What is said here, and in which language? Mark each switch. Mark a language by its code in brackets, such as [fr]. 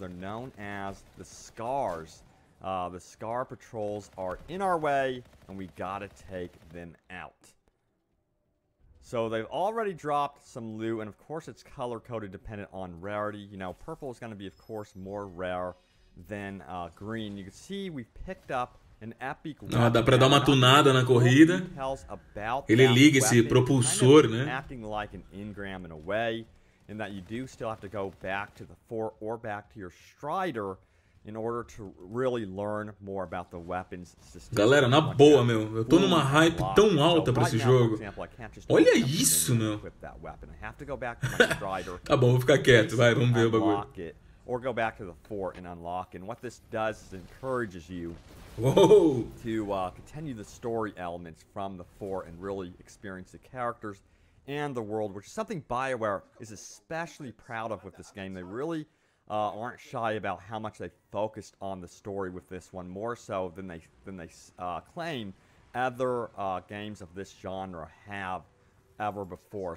[en] They're known as the Scars. The Scar patrols are in our way and we gotta take them out. So they've already dropped some loot and of course it's color-coded dependent on rarity. You know, purple is gonna be, of course, more rare. Then green, you can see we picked up an epic weapon. [pt] Ah, dá pra dar uma tunada na corrida. Ele liga esse propulsor, né? [en] Acting like an engram in a way, in that you do still have to go back to the fort or back to your strider in order to really learn more about the weapons system. [pt] Galera, na boa, meu, eu tô numa hype tão alta pra esse jogo. Olha isso, meu. Tá bom, vou ficar quieto, vai, vamos ver o bagulho. [en] Or go back to the fort and unlock. And what this does is encourages you to continue the story elements from the fort and really experience the characters and the world, which is something BioWare is especially proud of with this game. They really aren't shy about how much they focused on the story with this one, more so than they claim other games of this genre have ever before.